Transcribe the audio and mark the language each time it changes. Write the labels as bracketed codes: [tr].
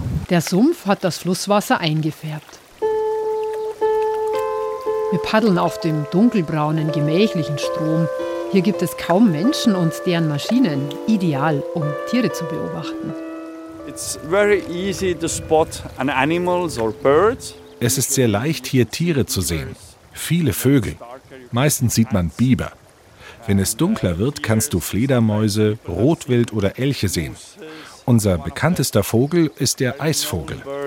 [de] Der Sumpf hat das Flusswasser eingefärbt. Wir paddeln auf dem dunkelbraunen, gemächlichen Strom. Hier gibt es kaum Menschen und deren Maschinen. Ideal, um Tiere zu beobachten. [en] It's very easy to spot animals or birds. [de] Es ist sehr leicht, hier Tiere zu sehen. Viele Vögel. Meistens sieht man Biber. Wenn es dunkler wird, kannst du Fledermäuse, Rotwild oder Elche sehen. Unser bekanntester Vogel ist der Eisvogel.